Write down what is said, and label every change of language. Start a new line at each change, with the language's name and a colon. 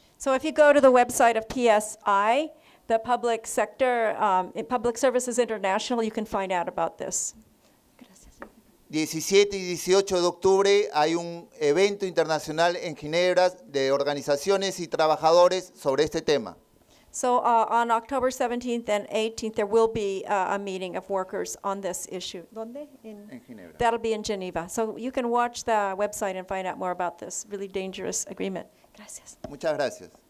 English: So if you go to the website of PSI, the Public Sector, Public Services International, you can find out about this.
Spanish: 17 y 18 de octubre hay un evento internacional en Ginebra de organizaciones y trabajadores sobre este tema.
English: So on October 17th and 18th, there will be a meeting of workers on this issue.
Spanish: ¿Dónde? En Ginebra.
English: That'll be in Geneva. So you can watch the website and find out more about this really dangerous agreement.
Spanish: Gracias. Muchas gracias.